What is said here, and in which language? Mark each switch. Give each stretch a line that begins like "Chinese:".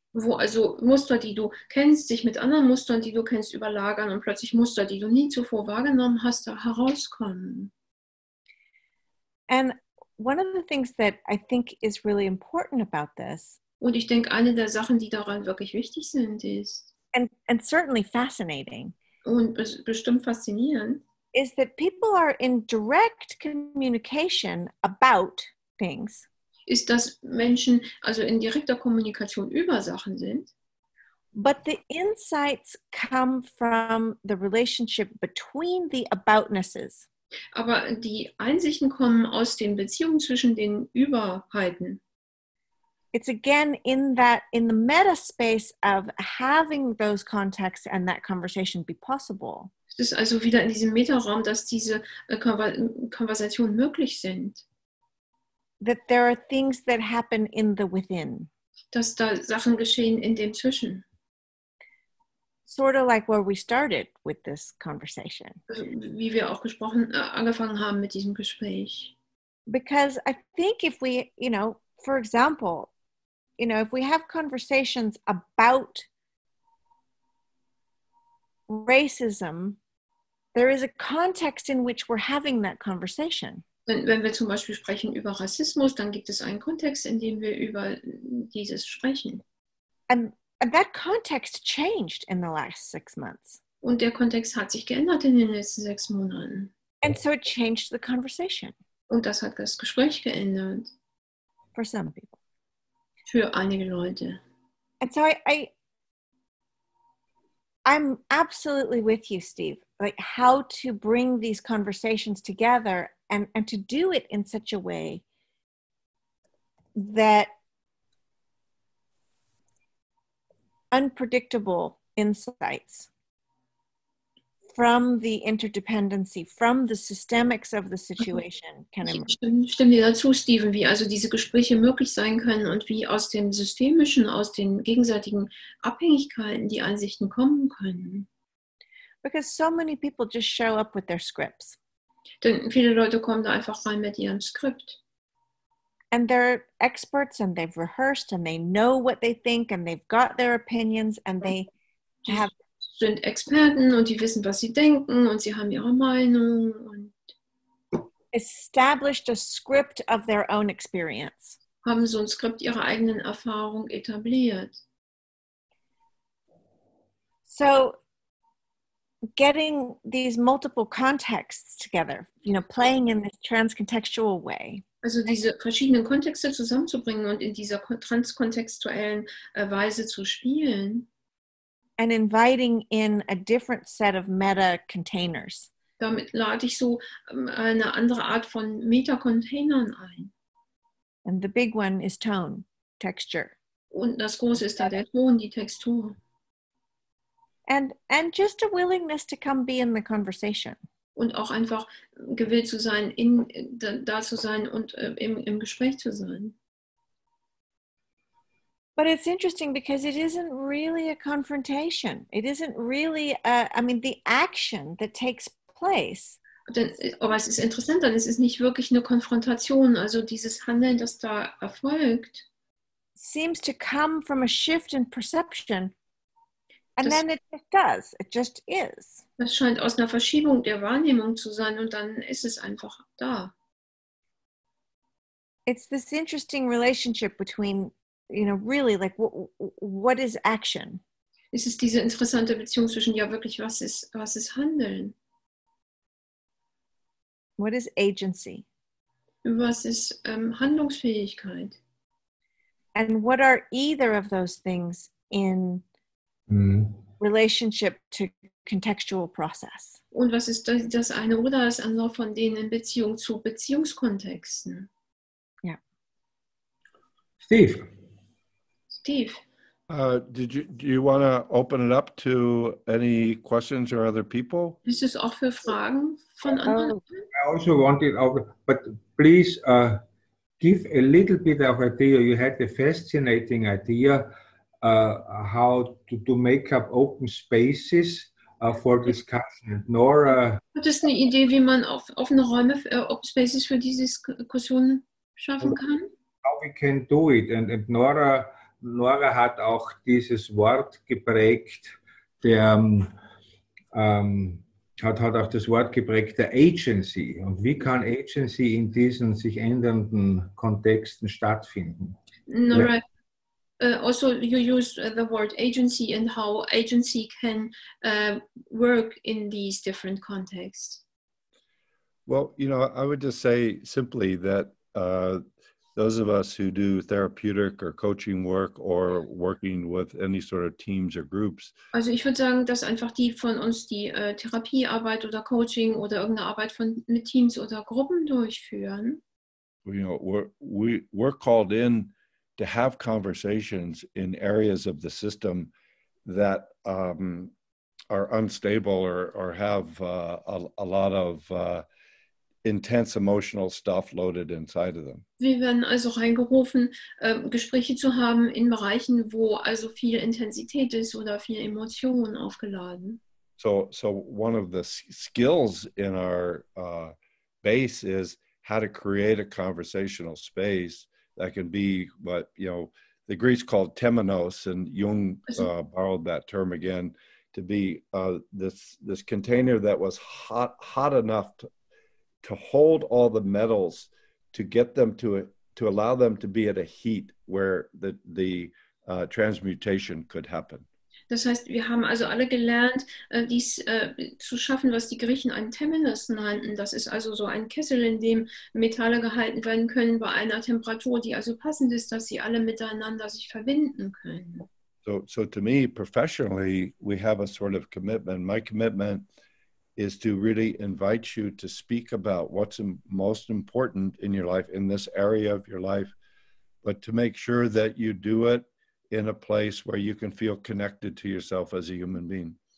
German: Wo also Muster, die du kennst, sich mit anderen Mustern, die du kennst, überlagern und plötzlich Muster, die du nie zuvor wahrgenommen hast, da herauskommen.
English: And one of the things that I think is really important about this,
German: und ich denke, eine der Sachen, die daran wirklich wichtig sind, ist,
English: and certainly fascinating,
German: und bestimmt faszinierend,
English: is that people are in direct communication about things,
German: ist, dass Menschen also in direkter Kommunikation über Sachen sind,
English: but the insights come from the relationship between the aboutnesses.
German: Aber die Einsichten kommen aus den Beziehungen zwischen den Überheiten.
English: It's again in that in the meta space of having those contexts and that conversation be possible.
German: Es ist also wieder in diesem Metaraum, dass diese Konversationen möglich sind.
English: that there are things that happen in the within.
German: Dass da Sachen geschehen in dem Zwischen.
English: Sort of like where we started with this conversation.
German: Wie wir auch gesprochen, angefangen haben mit diesem Gespräch.
English: Because I think if we, you know, for example, you know, if we have conversations about racism, there is a context in which we're having that conversation.
German: Wenn wir zum Beispiel sprechen über Rassismus, dann gibt es einen Kontext, in dem wir über dieses sprechen.
English: And that context changed in the last 6 months.
German: Und der Kontext hat sich geändert in den letzten 6 Monaten.
English: And so it changed the conversation.
German: Und das hat das Gespräch geändert.
English: For some people.
German: Für einige Leute.
English: And so I'm absolutely with you, Steve. Like how to bring these conversations together and to do it in such a way that unpredictable insights from the interdependency, from the systemics of the situation can emerge.
German: Stimme dir dazu, Stephen, wie also diese Gespräche möglich sein können und wie aus dem Systemischen, aus den gegenseitigen Abhängigkeiten die Ansichten kommen können.
English: Because so many people just show up with their scripts.
German: Denn viele Leute kommen da einfach rein mit ihrem Skript.
English: And they're experts and they've rehearsed and they know what they think and they've got their opinions and they have
German: sind Experten und die wissen, was sie denken und sie haben ihre Meinung und
English: established a script of their own experience.
German: Haben so ein Skript ihrer eigenen Erfahrung etabliert.
English: So getting these multiple contexts together, you know, playing in this transcontextual way.
German: Also diese verschiedenen Kontexte zusammenzubringen und in dieser transkontextuellen Weise zu spielen.
English: And inviting in a different set of meta-containers.
German: Damit lade ich so eine andere Art von Meta-Containern ein.
English: And the big one is tone, texture.
German: Und das große ist da der Ton, die Textur.
English: And just a willingness to come be in the conversation.
German: Und auch einfach gewillt zu sein, in, da zu sein und im Gespräch zu sein.
English: But it's interesting because it isn't really a confrontation. It isn't really, a, I mean, the action that takes place.
German: Aber es ist interessant, denn es ist nicht wirklich eine Konfrontation. Also dieses Handeln, das da erfolgt.
English: Seems to come from a shift in perception. And then it just does. It just is.
German: Das scheint aus einer Verschiebung der Wahrnehmung zu sein und dann ist es einfach da.
English: It's this interesting relationship between, you know, really like what is action?
German: Es ist diese interessante Beziehung zwischen ja wirklich was ist Handeln?
English: What is agency?
German: Was ist Handlungsfähigkeit?
English: And what are either of those things in relationship to contextual process.
German: Und was ist das eine oder das andere von denen in Beziehung zu Beziehungskontexten? Ja. Steve.
English: Do you want to open it up to any questions or other people?
German: Ist es auch für Fragen von anderen?
English: I also wanted, but please give a little bit of idea. You had a fascinating idea. How to make up open spaces for discussion. Nora,
German: hat es eine Idee, wie man offene Räume,
English: open spaces
German: für diese Diskussion schaffen kann?
English: How we can do it.
German: And Nora hat auch dieses Wort geprägt, der Agency. Und wie kann Agency in diesen sich ändernden Kontexten stattfinden? Nora. Ja.
English: Also, you used the word agency and how agency can work in these different contexts. Well, you know, I would just say simply that those of us who do therapeutic or coaching work or working with any sort of teams or groups.
German: Also, ich würde sagen, dass einfach die von uns, die Therapiearbeit oder Coaching oder irgendeine Arbeit mit Teams oder Gruppen durchführen.
English: You know, we're called in to have conversations in areas of the system that are unstable or have a lot of intense emotional stuff loaded inside of them.
German: Wir werden also reingerufen, Gespräche zu haben in Bereichen, wo also viel Intensität ist oder viel Emotionen aufgeladen.
English: So one of the skills in our base is how to create a conversational space that can be what, you know, the Greeks called temenos, and Jung borrowed that term again, to be this container that was hot enough to hold all the metals, to get them to allow them to be at a heat where the transmutation could happen.
German: Das heißt, wir haben also alle gelernt, dies zu schaffen, was die Griechen ein Temenos nannten. Das ist also so ein Kessel, in dem Metalle gehalten werden können bei einer Temperatur, die also passend ist, dass sie alle miteinander sich verbinden können.
English: So to me, professionally, we have a sort of commitment. My commitment is to really invite you to speak about what's most important in your life, in this area of your life, but to make sure that you do it in a place where you can feel connected to yourself as a human being.